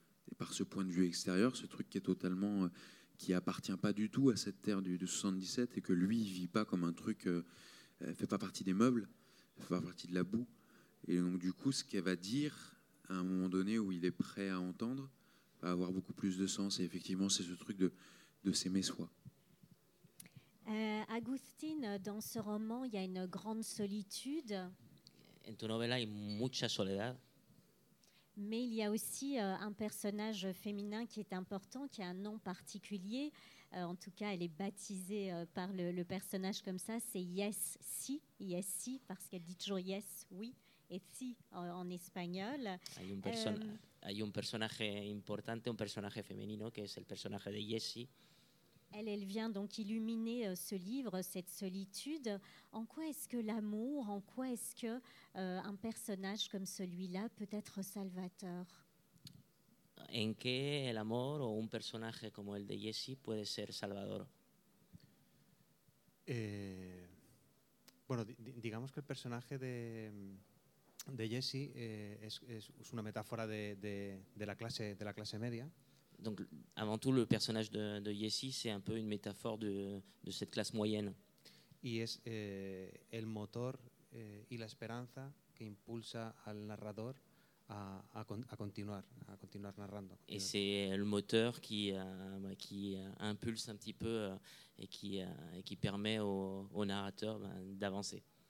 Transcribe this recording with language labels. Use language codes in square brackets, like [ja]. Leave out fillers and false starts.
[fr] Et par ce point de vue extérieur, ce truc qui est totalement qui appartient pas du tout à cette terre du 77 et que lui il vit pas comme un truc, fait pas partie des meubles, fait pas partie de la boue. Et donc du coup, ce qu'elle va dire à un moment donné où il est prêt à entendre va avoir beaucoup plus de sens. Et effectivement, c'est ce truc de s'aimer soi. Agustín, dans ce roman, il y a une grande solitude. [es] En tu novela hay mucha soledad. [fr] Mais il y a aussi un personnage féminin qui est important, qui a un nom particulier. En tout cas, elle est baptisée par le personnage comme ça. C'est Yes, Si. Yes, Si, parce qu'elle dit toujours Yes, oui, et Si en espagnol. [es] Hay un personaje importante, un personaje femenino, que es el personaje de Yes, Si. [fr] Elle vient donc illuminer ce livre, cette solitude. En quoi est-ce que l'amour, en quoi est-ce que un personnage comme celui-là peut être salvateur? [es] En qué el amor o un personaje como el de Jesse puede ser salvador? Bueno, digamos que el personaje de Jesse es una metáfora de la clase media. [fr] Donc, avant tout, le personnage de Jesse, c'est un peu une métaphore de cette classe moyenne. Et c'est le moteur et l'espérance qui impulse le narrateur à continuer narrando. Et c'est le moteur qui impulse un petit peu et qui permet au narrateur d'avancer.